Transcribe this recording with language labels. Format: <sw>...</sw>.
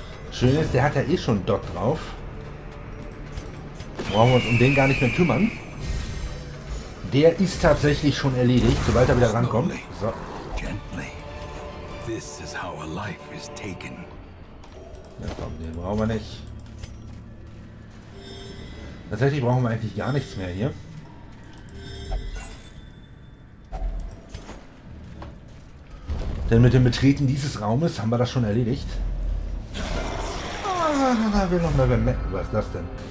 <de>Schön ist, der hat ja eh schon Dot drauf. Brauchen wir uns um den gar nicht mehr kümmern. Der ist tatsächlich schon erledigt, sobald er wieder rankommt. So.</de> <en>Gently. This is how a life is taken.</en> <de>Ja, komm, den brauchen wir nicht. Tatsächlich brauchen wir eigentlich gar nichts mehr hier. Denn mit dem Betreten dieses Raumes haben wir das schon erledigt. Ah, will noch mal bemerken. Was ist das denn?</de>